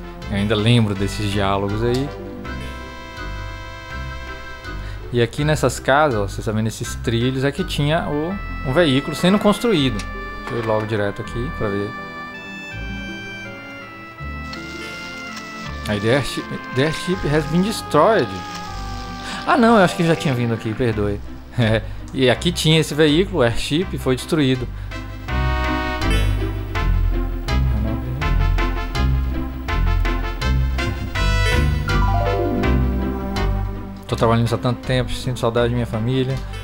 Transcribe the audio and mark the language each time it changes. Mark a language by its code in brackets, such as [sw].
[pt] Eu ainda lembro desses diálogos aí. E aqui nessas casas, ó, vocês estão vendo esses trilhos, é que tinha um veículo sendo construído. Deixa eu ir logo direto aqui pra ver. [en] Aí, the airship has been destroyed. [pt] Ah, não, eu acho que já tinha vindo aqui, perdoe. E aqui tinha esse veículo, o airship, foi destruído. Tô trabalhando há tanto tempo, sinto saudade de minha família.